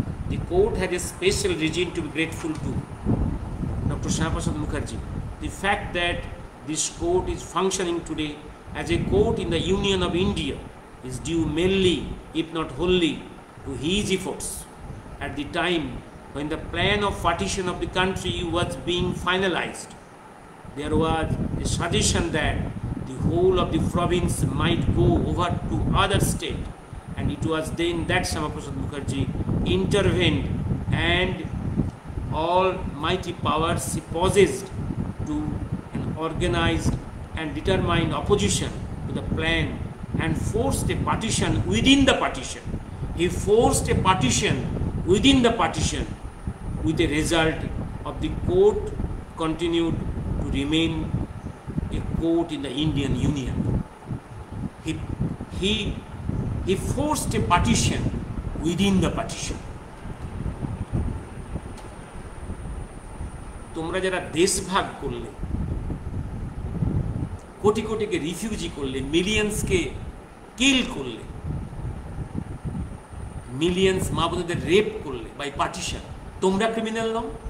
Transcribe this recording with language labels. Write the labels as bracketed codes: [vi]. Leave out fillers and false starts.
[en] The court has a special reason to be grateful to doctor Shyamaprasad Mukherjee, the fact that this court is functioning today as a court in the union of India is due mainly if not wholly to his efforts at the time when the plan of partition of the country was being finalised there was a suggestion that the whole of the province might go over to other state, and it was then that Shyamaprasad Mukherjee intervened and all mighty powers he possessed to an organized and determined opposition to the plan and forced a partition within the partition. He forced a partition within the partition, with the result of the court continued to remain a court in the Indian Union. He forced a partition within the partition. [bn] তোমরা যারা দেশভাগ করলে, কোটি কোটিকে refugee করলে, মিলিয়ন্সকে কিল করলে, millions মা বোনদের rape করলে [en] by partition, [bn] তোমরা ক্রিমিনাল নও?